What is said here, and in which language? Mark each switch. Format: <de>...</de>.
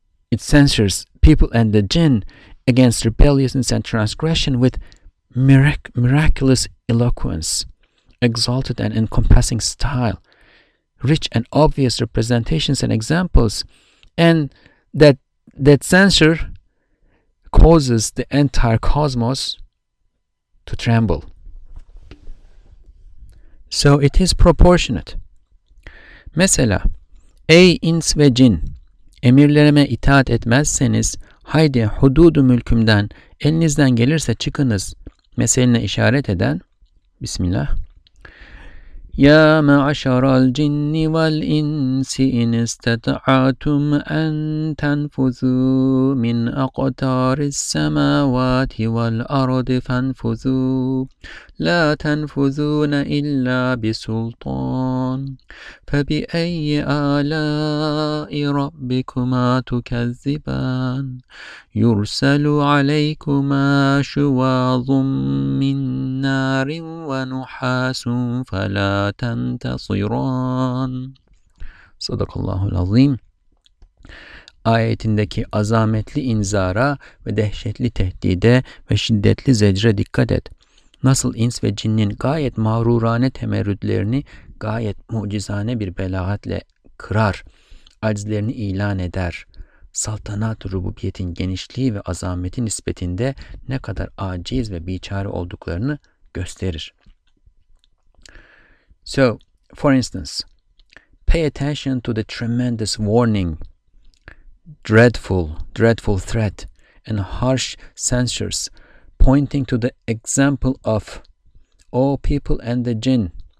<en>It censures people and the jinn against rebelliousness and transgression with miraculous eloquence, exalted and encompassing style, rich and obvious representations and examples, and that censure causes the entire cosmos to tremble. So it is proportionate.</en> <tr>Mesela, ey ins ve cin, emirlerime itaat etmezseniz, haydi hududu mülkümden, elinizden gelirse çıkınız, meseline işaret eden, Bismillah.</tr> <ar>يا معشر الجن والإنس إن استطعتم أن تنفذوا من أقطار السماوات والأرض فانفذوا لا تنفذون إلا بسلطان فبأي آلاء ربكما تكذبان يرسل عليكما شواظ من نار ونحاس فلا تنتصران. صدق الله العظيم.</ar> <tr>Ayetindeki azametli inzara ve dehşetli tehdide ve şiddetli zecre dikkat et. Nasıl ins ve cinnin gayet mağrurane temerrüdlerini gayet mucizane bir belagatle kırar, aczlerini ilan eder. Saltanat-ı rububiyetin genişliği ve azameti nispetinde ne kadar aciz ve biçare olduklarını gösterir.</tr> <en>So, for instance, pay attention to the tremendous warning, dreadful threat, and harsh censures pointing to the example of all people and the jinn.</en>